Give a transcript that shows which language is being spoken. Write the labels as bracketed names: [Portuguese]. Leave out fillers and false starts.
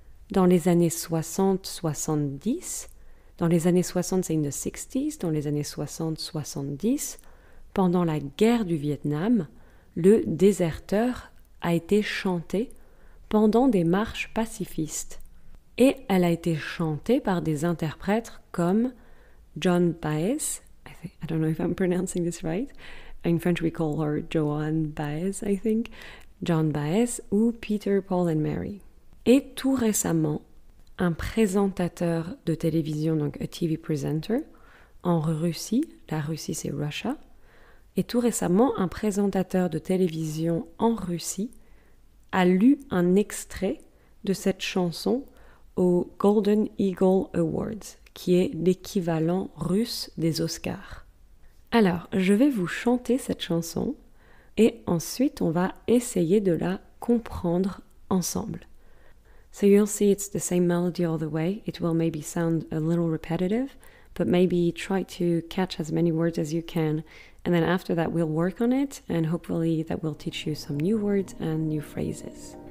[French] Dans les années 60-70, dans les années 60, c'est [English] in the 60s, [French] dans les années 60-70, pendant la guerre du Vietnam, le déserteur a été chanté pendant des marches pacifistes. Et elle a été chantée par des interprètes comme John Baez. [English] I don't know if I'm pronouncing this right. In French, we call her Joanne Baez, I think. [French] John Baez ou Peter, Paul and Mary. Et tout récemment, un présentateur de télévision, donc [English] a TV presenter, [French] en Russie, la Russie c'est Russia, et tout récemment, un présentateur de télévision en Russie a lu un extrait de cette chanson aux Golden Eagle Awards, qui est l'équivalent russe des Oscars. Alors, je vais vous chanter cette chanson et ensuite on va essayer de la comprendre ensemble. [English] So you'll see it's the same melody all the way. It will maybe sound a little repetitive, but maybe try to catch as many words as you can. And then after that, we'll work on it, and hopefully that will teach you some new words and new phrases.